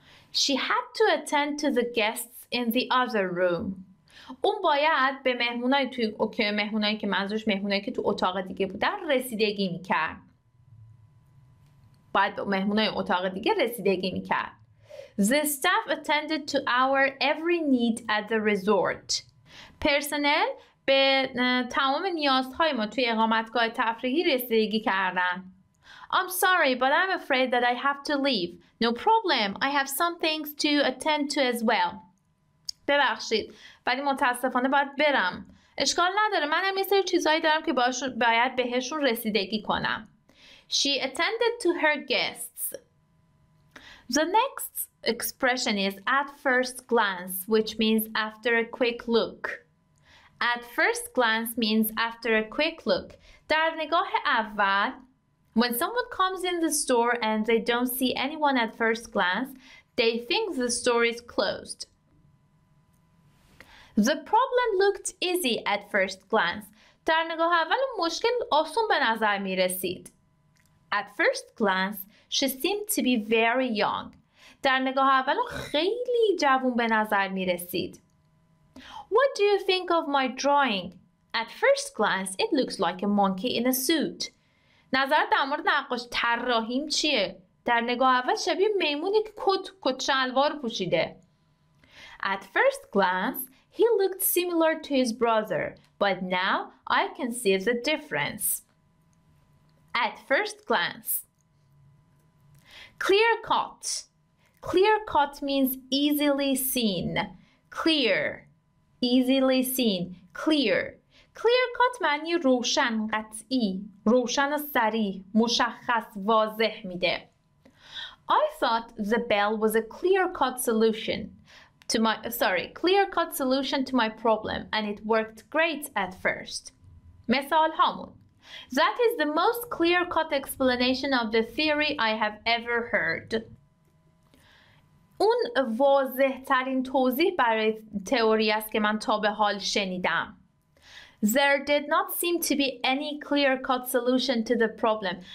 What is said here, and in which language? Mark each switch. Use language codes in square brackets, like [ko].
[en] She had to attend to the guests in the other room. [fa] اون باید به مهمونای توی اوکی مهمونایی که منظورش مهمونایی که تو اتاق دیگه بودن رسیدگی میکرد. باید به مهمونای اتاق دیگه رسیدگی میکرد. [en] The staff attended to our every need at the resort. [fa] پرسنل به تمام نیازهای ما توی اقامتگاه تفریحی رسیدگی کردن. [en] I'm sorry, but I'm afraid that I have to leave. No problem, I have some things to attend to as well. [fa] ببخشید ولی متاسفانه باید برم. اشکال نداره، منم یه سری چیزایی دارم که باید بهشون رسیدگی کنم. [en] She attended to her guests. The next expression is at first glance, which means after a quick look. At first glance means after a quick look. [fa] در نگاه اول. [en] When someone comes in the store and they don't see anyone at first glance, they think the store is closed. The problem looked easy at first glance. [fa] در نگاه اول مشکل آسون به نظر می رسید. [en] At first glance, she seemed to be very young. [fa] در نگاه اول خیلی جوان به نظر می رسید. [en] What do you think of my drawing? At first glance, it looks like a monkey in a suit. [fa] نظر در مورد نقاش طراحیم چیه؟ در نگاه اول شبیه میمونی که کت شلوار پوشیده. [en] At first glance, he looked similar to his brother, but now I can see the difference. At first glance. Clear cut. Clear cut means easily seen. Clear. Easily seen. Clear. [fa] Clear cut معنی روشن، قطعی، روشن و سریع، مشخص، واضح میده. [en] I thought the bell was a clear cut solution. to my clear-cut solution to my problem, and it worked great at first. [fa] مثال هامون. [en] That is the most clear-cut explanation of the theory I have ever heard. [fa] اون واضح‌ترین توضیح برای تئوری است که من تا به حال شنیدم. [en] There did not seem to be any clear-cut solution to the problem.